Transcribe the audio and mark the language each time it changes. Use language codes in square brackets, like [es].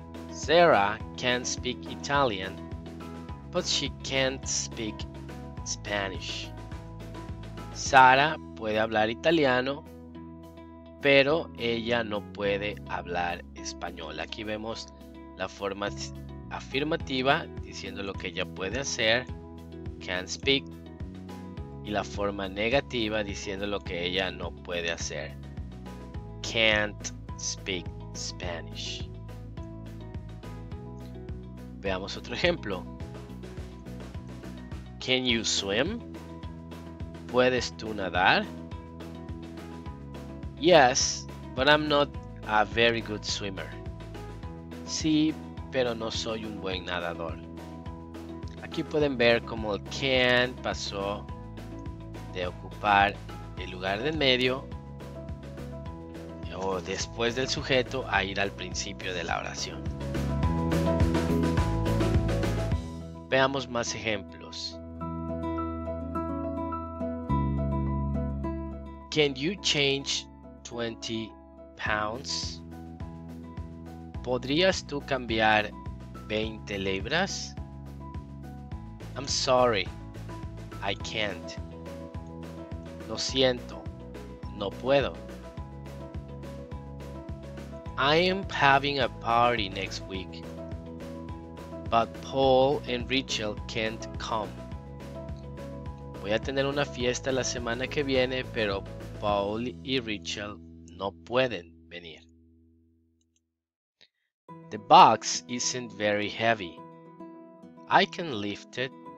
[en] Sarah can speak Italian, but she can't speak Spanish. [es] Sara puede hablar italiano, pero ella no puede hablar español. Aquí vemos la forma afirmativa diciendo lo que ella puede hacer, [en] can speak, [es] y la forma negativa diciendo lo que ella no puede hacer, [en] can't speak Spanish. [es] Veamos otro ejemplo. [en] Can you swim? [es] ¿Puedes tú nadar? [en] Yes, but I'm not a very good swimmer. [es] Sí, pero no soy un buen nadador. Aquí pueden ver cómo el can pasó de ocupar el lugar de en medio o después del sujeto a ir al principio de la oración. Veamos más ejemplos. [en] Can you change 20 pounds? [es] ¿Podrías tú cambiar 20 libras? [en] I'm sorry, I can't. [es] Lo siento, no puedo. [en] I am having a party next week, but Paul and Rachel can't come. [es] Voy a tener una fiesta la semana que viene, pero Paul y Rachel no pueden venir. [en] The box isn't very heavy. I can lift it.